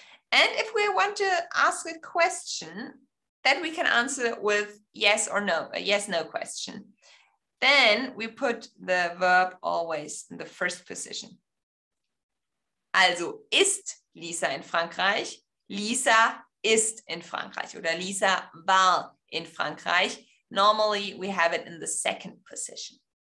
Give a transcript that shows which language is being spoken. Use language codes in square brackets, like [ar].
[en] And if we want to ask a question, then we can answer with yes or no, a yes, no question. Then we put the verb always in the first position. [de] Also ist Lisa in Frankreich? Lisa ist in Frankreich oder Lisa war in Frankreich. [en] Normally we have it in the second position.